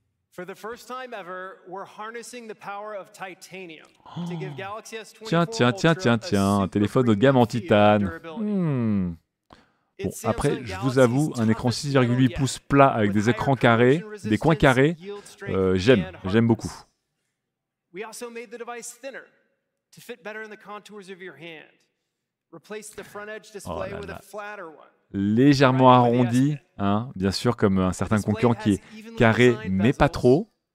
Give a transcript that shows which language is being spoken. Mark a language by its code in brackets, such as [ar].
[en] For the first time ever, we're harnessing the power of titanium to give Galaxy S24 [fr] tiens, un téléphone haut de gamme en titane. Bon, après, je vous avoue, un écran 6,8 pouces plat avec des écrans carrés, des coins carrés, j'aime beaucoup. [en] We also made the device thinner to fit better in the contours of your hand. Replace the front edge display with a flatter one. [fr] Légèrement arrondi, hein, bien sûr, comme un certain concurrent qui est carré, mais pas trop.